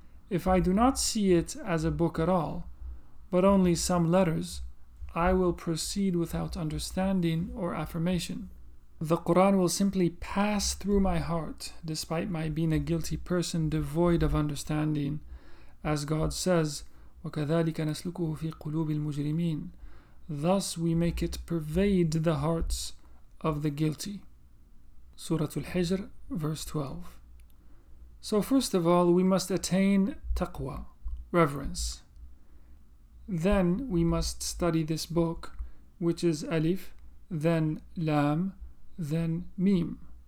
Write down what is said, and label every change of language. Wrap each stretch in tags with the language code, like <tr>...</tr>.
<en>If I do not see it as a book at all, but only some letters, I will proceed without understanding or affirmation. The Qur'an will simply pass through my heart, despite my being a guilty person devoid of understanding.</en> <ar>As God says, وَكَذَلِكَ نَسْلُكُهُ فِي قُلُوبِ الْمُجْرِمِينَ.</ar> <en>Thus we make it pervade the hearts of the guilty. Surat al-Hijr, verse 12. So first of all, we must attain taqwa, reverence. Then we must study this book, which is Alif, then Lam, then Mim.</en>